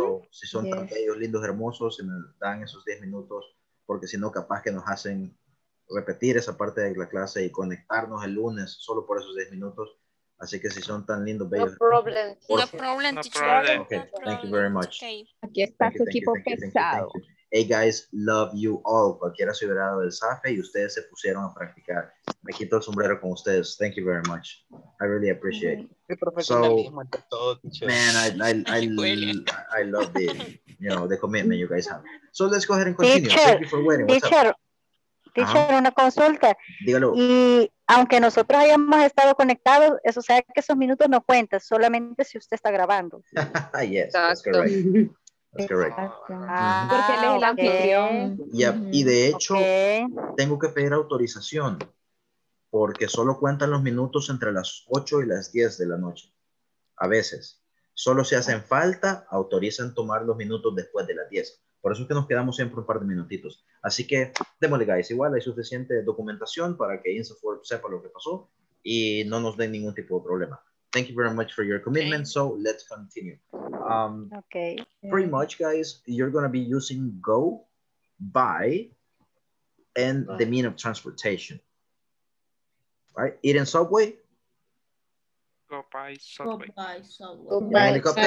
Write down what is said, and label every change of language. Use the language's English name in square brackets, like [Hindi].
[Spanish] Si son tan bellos, lindos, hermosos, se me dan esos 10 minutos, porque si no, capaz que nos hacen repetir esa parte de la clase y conectarnos el lunes solo por esos 10 minutos. Así que si son tan lindos, bellos. [English] No problem, teacher. Okay, thank you very much. [Spanish] Okay. Aquí está su equipo pesado. [English] Hey guys, love you all. [Spanish] Cualquiera se hubiera dado el SAFE y ustedes se pusieron a practicar. Me quito el sombrero con ustedes. [English] Thank you very much. I really appreciate it. I love the, you know, the commitment you guys have. So let's go ahead and continue. Teacher, thank you for waiting. Teacher, [Spanish] una consulta. Dígalo. Y aunque nosotros hayamos estado conectados, eso sea que esos minutos no cuentan, solamente si usted está grabando. [English] Yes, that's correct. [Spanish] Porque él es el anfitrión. Y de hecho, tengo que pedir autorización porque solo cuentan los minutos entre las 8 y las 10 de la noche. A veces, solo si hacen falta, autorizan tomar los minutos después de las 10. Por eso es que nos quedamos siempre un par de minutitos. Así que, démosle, guys. Igual hay suficiente documentación para que INSAFORP sepa lo que pasó y no nos den ningún tipo de problema. [English] Thank you very much for your commitment. Okay. So let's continue. Okay. Pretty much, guys, you're going to be using go, by, and the mean of transportation. Right? Eat in subway. Go by subway. Go by subway. Go by helicopter.